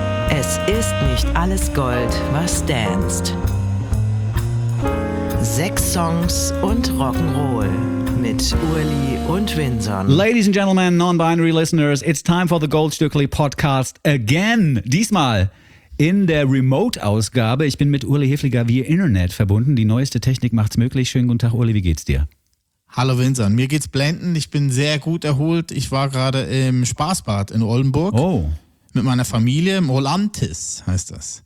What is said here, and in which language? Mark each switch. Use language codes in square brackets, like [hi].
[de] Es ist nicht alles Gold, was danst. Sechs Songs und Rock'n'Roll mit Uli und Vinson. [en] Ladies and gentlemen, non-binary listeners, it's time for the Goldstückli Podcast again. [de] Diesmal in der Remote-Ausgabe. Ich bin mit Uli Hefliger via Internet verbunden. Die neueste Technik macht's möglich. Schönen guten Tag, Uli, wie geht's dir? Hallo Vincent, mir geht's blendend. Ich bin sehr gut erholt. Ich war gerade im Spaßbad in Oldenburg. Oh. Mit meiner Familie im Olantis, heißt das.